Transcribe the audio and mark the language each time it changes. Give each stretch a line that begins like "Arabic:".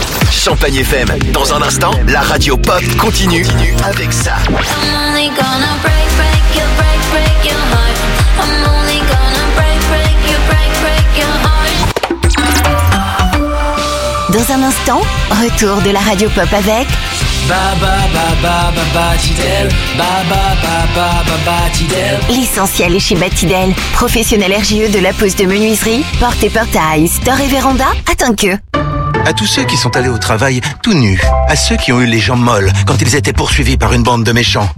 French: Champagne FM, dans un instant, la radio pop continue avec ça.
English: I'm only gonna break, break your, break, break your heart. I'm only gonna break, break your, break, break your heart.
French: Dans un instant, retour de la radio pop avec ba ba ba ba ba Batidel. Ba ba ba ba ba Batidel. L'essentiel est chez Batidel, professionnel RGE de la pose de menuiserie, porte et portail, store et véranda, à Tainqueux. À tous ceux qui sont allés au travail tout nus. À ceux qui ont eu les jambes molles quand ils étaient poursuivis par une bande de méchants.